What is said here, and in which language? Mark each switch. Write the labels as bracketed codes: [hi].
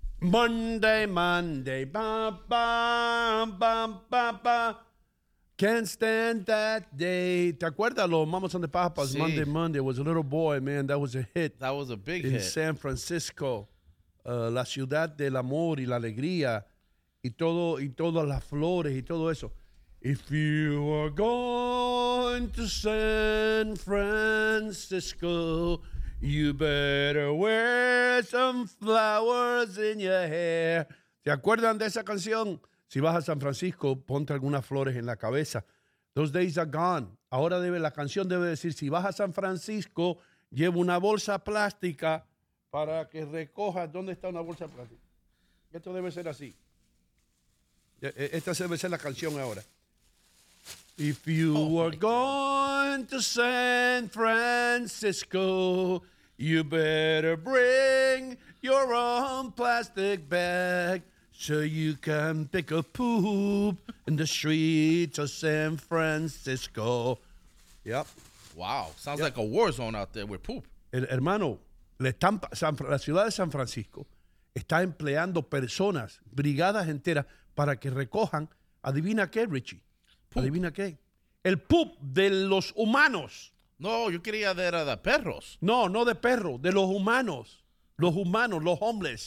[en] Monday, ba-ba-ba-ba-ba. Can't stand that day. [es] ¿Te acuerdas los [en] Mamas and the Papas? [es] Sí. [en] Monday was a little boy, man. That was a hit. That was a big in hit. In San Francisco. [es] La ciudad del amor y la alegría y todas las flores y todo eso. [en] If you are going to San Francisco, you better wear some flowers in your hair. [es] ¿Te acuerdan de esa canción? Si vas a San Francisco, ponte algunas flores en la cabeza. [en] Those days are gone. [es] Ahora la canción debe decir, si vas a San Francisco, Llevo una bolsa plástica para que recoja. ¿Dónde está una bolsa plástica? Esto debe ser así. Esta debe ser la canción ahora. [en] If you were going to San Francisco, you better bring your own plastic bag so you can pick a poop in the streets of San Francisco. Yep. Wow. Sounds like a war zone out there with poop. [es] Hermano, la ciudad de San Francisco está empleando personas, brigadas enteras, para que recojan, adivina qué, Richie. Poop. Adivina qué. El poop de los humanos. No, yo quería ver a perros. No, no de perros, de los humanos. Los humanos, los homeless.